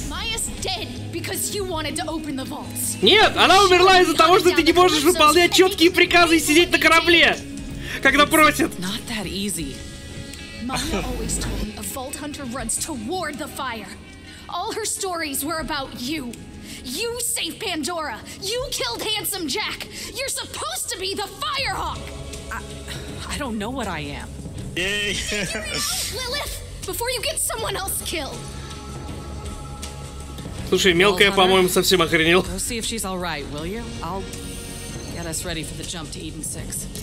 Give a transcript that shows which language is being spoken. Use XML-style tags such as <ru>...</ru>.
<en>Maya's dead because you wanted to open the vaults.</en> <ru>Нет, она умерла из-за того, что ты не можешь выполнять четкие приказы и сидеть на корабле, когда просят.</ru> <en>Not that easy. Maya always told me a vault hunter runs toward the fire. All her stories were about you. You saved Pandora! You killed Handsome Jack! You're supposed to be the Firehawk! I don't know what I am. Yay! Figure it out, Lilith! Before you get someone else killed!</en> <ru>Слушай, мелкая, по-моему, совсем охренел.</ru> <en>Go see if she's all right, will you? I'll get us ready for the jump to Eden 6.</en>